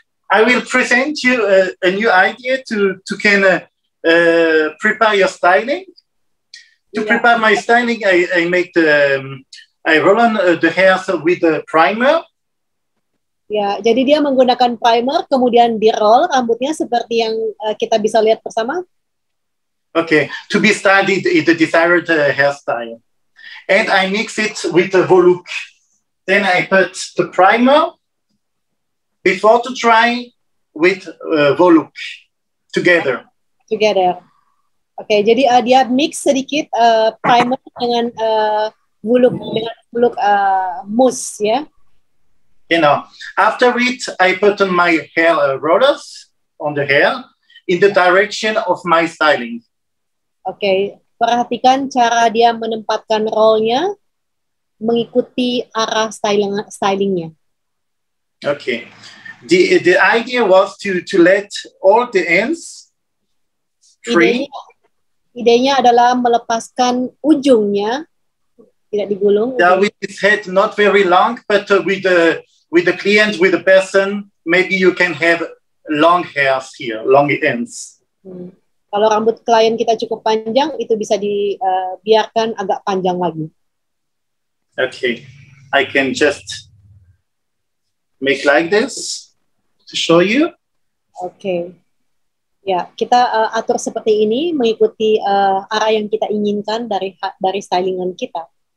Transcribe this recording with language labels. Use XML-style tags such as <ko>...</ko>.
<en>I will present you a new idea to can prepare your styling. To prepare my styling, I make the I roll on the hairs with the primer.</en> <id>Ya, jadi dia menggunakan primer, kemudian di roll rambutnya seperti yang kita bisa lihat bersama.</id> <en>Okay, to be studied in the desired hairstyle. And I mix it with the volux. Then I put the primer before to try with volux together. Together.</en> <id>Okay, jadi dia mix sedikit primer dengan volux, dengan volux mousse, ya.</id> <en>Yeah? You know, after it, I put on my hair rollers on the hair in the direction of my styling.</en> <id>Okay, perhatikan cara dia menempatkan rollnya mengikuti arah stylingnya.</id> <en>Okay, the idea was to let all the ends free.</en> <id>Idenya adalah melepaskan ujungnya, tidak digulung.</id> <en>Yeah, with his head not very long, but with the with the client, with the person, maybe you can have long hairs here, long ends.</en> <id>Kalau rambut klien kita cukup panjang, itu bisa dibiarkan agak panjang lagi.</id> <en>Okay, I can just make like this to show you.</en> <id>Okay, ya kita atur seperti ini mengikuti arah yang kita inginkan dari stylingan kita.</id>